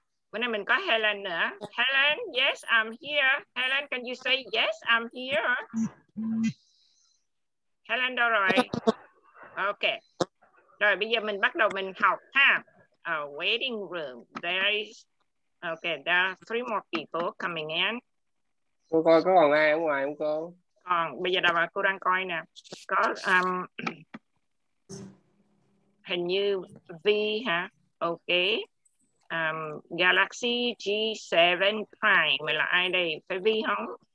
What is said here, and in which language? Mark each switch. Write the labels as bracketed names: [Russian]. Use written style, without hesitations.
[Vietnamese] Bữa nay mình có Helen nữa. [English] Helen, yes, I'm here. Helen, can you say yes, I'm here? Helen [Vietnamese] đâu rồi? [English] Okay. [Vietnamese] Rồi, bây giờ mình bắt đầu mình học ha. [English] A waiting room. There is... Okay, there are three more people coming in. [Vietnamese] Cô coi có còn ai ở ngoài không cô? Còn, bây giờ đâu mà cô đang coi nè. Có... hình như V ha. Okay. Galaxy G7 Prime. Mày là ai đây? Phải Vi không?